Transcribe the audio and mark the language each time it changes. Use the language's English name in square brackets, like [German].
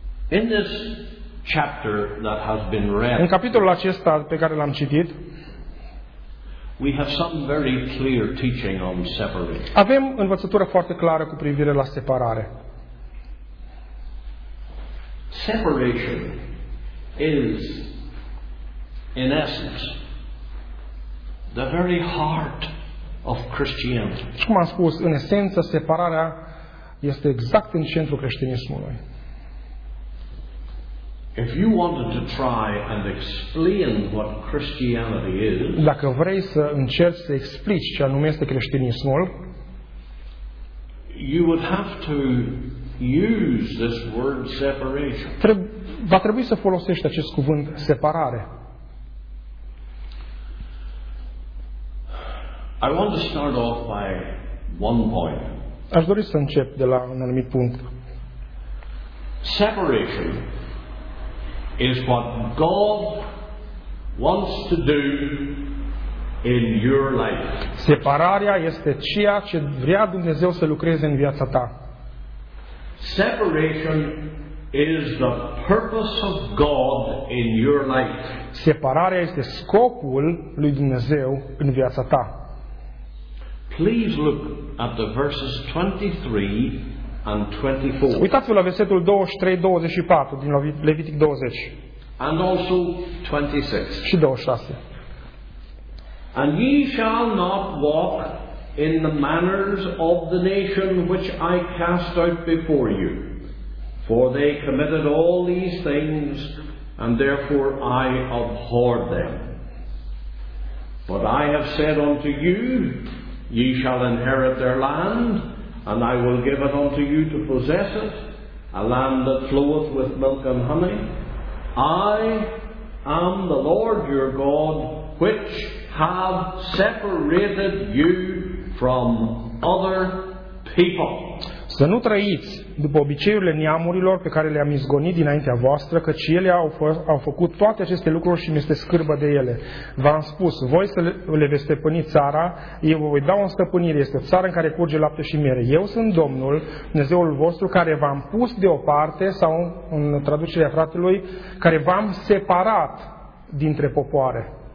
[English] In this chapter that has been read. [Romanian] În capitolul acesta pe care l-am citit, [English] we have some very clear teaching on separation. [Romanian] Avem învățătură foarte clară cu privire la separare. [English] Separation is in essence the very heart of Christianity. [Romanian] Cum am spus, în esență separarea este exact în centrul creștinismului. [English] If you wanted to try and explain what Christianity is, [Romanian] dacă vrei să încerci să explici ce anume este creștinismul, [English] you would have to use this word separation. [Romanian] Va trebui să folosești acest cuvânt separare. [English] I want to start off by one point. [Romanian] Aș dori să încep de la un anumit punct. [English] Separation is what God wants to do in your life. [Romanian] Separarea este ceea ce vrea Dumnezeu să lucreze în viața ta. [English] Separation is the purpose of God in your life. [Romanian] Separarea este scopul lui Dumnezeu în viața ta. [English] Please look at the verses 23 and 24. [Romanian] Uitați-vă la versetul 23-24 din Levitic 20. [English] And also 26. [Romanian] Și 26. [English] And ye shall not walk in the manners of the nation which I cast out before you, for they committed all these things, and therefore I abhor them. But I have said unto you, ye shall inherit their land, and I will give it unto you to possess it, a land that floweth with milk and honey. I am the Lord your God, which have separated you from other people. [Romanian] Să nu trăiți după obiceiurile neamurilor pe care le-am izgonit dinaintea voastră, căci ele au făcut toate aceste lucruri și mi-este scârbă de ele. V-am spus, voi să le veți stăpâni țara, eu vă voi da o stăpânire, este țara în care curge lapte și miere. Eu sunt Domnul, Dumnezeul vostru, care v-am pus deoparte, sau în traducerea fratelui, care v-am separat dintre popoare.